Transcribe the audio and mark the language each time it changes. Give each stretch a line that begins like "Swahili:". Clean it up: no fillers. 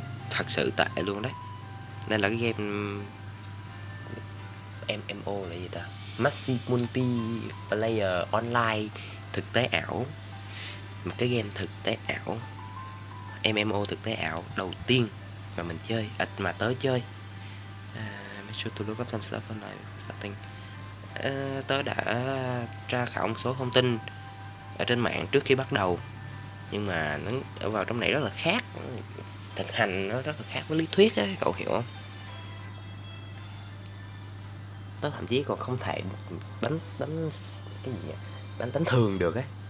Vietnamese: Thật sự tệ luôn đấy. Nên là cái game MMO là gì ta? Massive Multiplayer Online thực tế ảo. Một cái game thực tế ảo, MMO thực tế ảo đầu tiên mà mình chơi, mà tớ chơi.
English: Make sure to look up some stuff online starting.
Vietnamese: Tớ đã tra khảo một số thông tin ở trên mạng trước khi bắt đầu, nhưng mà nó ở vào trong này rất là khác, thực hành nó rất là khác với lý thuyết ấy, cậu hiểu không? Tớ thậm chí còn không thể đánh cái gì nhỉ? Đánh thường được ấy.